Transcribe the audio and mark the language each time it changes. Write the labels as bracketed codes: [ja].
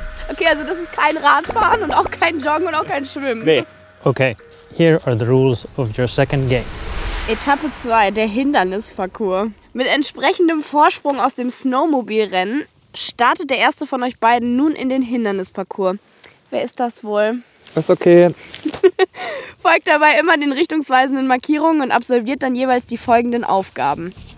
[de] Okay, also das ist kein Radfahren und auch kein Joggen und auch kein Schwimmen. Nee. [en] Okay, here are the rules of your second game. [de] Etappe 2, der Hindernisparcours. Mit entsprechendem Vorsprung aus dem Snowmobilrennen startet der erste von euch beiden nun in den Hindernisparcours. Wer ist das wohl? Ist okay. Folgt dabei immer den richtungsweisenden Markierungen und absolviert dann jeweils die folgenden Aufgaben.